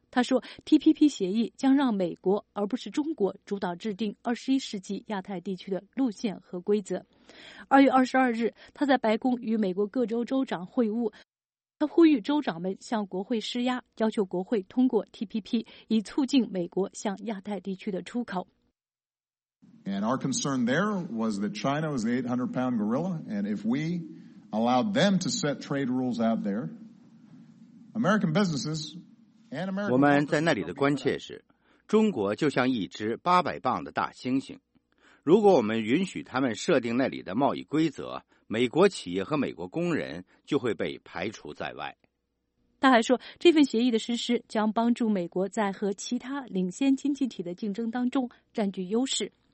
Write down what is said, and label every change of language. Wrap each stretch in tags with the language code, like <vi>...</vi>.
<zh>他说 TPP 协议将让美国而不是中国主导制定21世纪亚太地区的路线和规则。 2月22日，他在白宫与美国各州州长会晤，他呼吁州长们向国会施压，要求国会通过 TPP 以促进美国向亚太地区的出口。</zh> <en>And our concern there was that China was the 800-pound gorilla, and if weallowed them to set trade rules out there, American businesses and American</en> <zh>我们在那里的关切是，中国就像一只800磅的大猩猩，如果我们允许他们设定那里的贸易规则，美国企业和美国工人就会被排除在外。他还说，这份协议的实施将帮助美国在和其他领先经济体的竞争当中占据优势。</zh>